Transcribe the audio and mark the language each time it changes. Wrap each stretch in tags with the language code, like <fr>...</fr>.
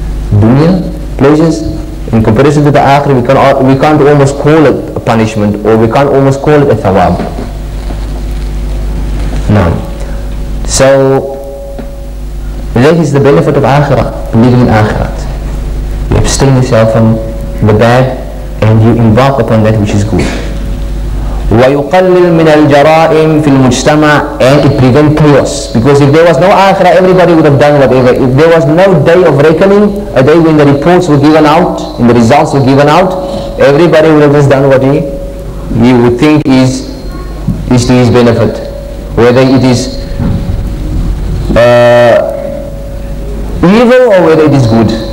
<en>Dunya, pleasures, in comparison to the akhirah, we can't almost call it a punishment, or we can't almost call it a thawab. No. So, that is the benefit of akhirah, believing in akhirah. You abstain yourself from the bad, and you embark upon that which is good.</en> <ar>وَيُقَلِّلْ مِنَ الْجَرَائِمِ فِي الْمُجْتَمَعِ</ar> <en>And it prevents chaos. Because if there was no akhirah, everybody would have done whatever. If there was no day of reckoning, a day when the reports were given out, and the results were given out, everybody would have just done what he would think is to his benefit. Whether it is evil or whether it is good.</en>